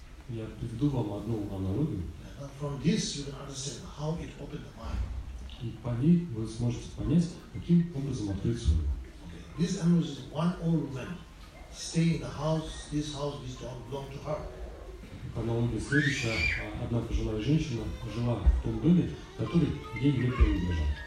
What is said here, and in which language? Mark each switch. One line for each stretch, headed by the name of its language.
Russian: Я приведу вам одну аналогию.
English: From this you can understand how it opened the mind.
Russian: И по ней вы сможете понять, каким образом открыть свою.
English: This analogy is one old woman staying in the house. This house is belong to her.
Russian: По аналогии следующая, одна пожилая женщина жила в том доме, который ей не принадлежал.